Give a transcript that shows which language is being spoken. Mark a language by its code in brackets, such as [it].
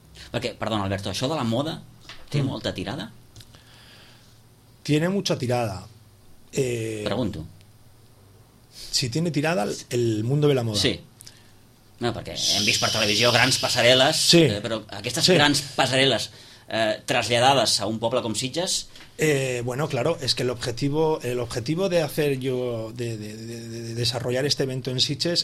[es] Porque, perdón, Alberto, això de la moda, ¿tiene mucha tirada? Tiene mucha tirada. Pregunto. Si tiene tirada, el mundo de la moda. Sí. [ca] No, perquè hem vist per televisió grans passarel·les, sí. Però aquestes, sí, grans passarel·les traslladades a un poble com Sitges... [es] Bueno, claro, es que el objetivo de hacer yo, de desarrollar este evento en Sitges...